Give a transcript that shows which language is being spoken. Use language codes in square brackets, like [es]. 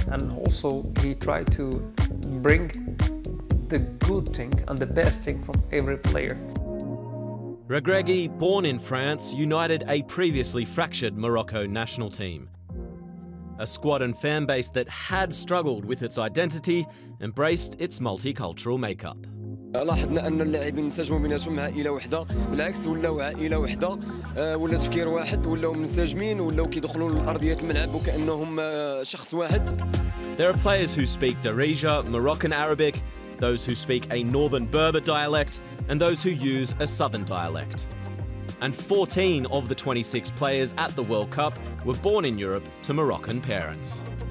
[en] And also he tried to bring the good thing and the best thing from every player. Regragui, born in France, united a previously fractured Morocco national team. A squad and fan base that had struggled with its identity embraced its multicultural makeup. [ar] لاحظنا ان اللاعبين انسجموا بيناتهم عائله واحده، بالعكس ولاو عائله واحده، ولا تفكير واحد، ولاو منسجمين، ولاو كيدخلوا لارضيه الملعب وكانهم شخص واحد. [en] There are players who speak Darija, Moroccan Arabic, those who speak a northern Berber dialect, and those who use a southern dialect. And 14 of the 26 players at the World Cup were born in Europe to Moroccan parents.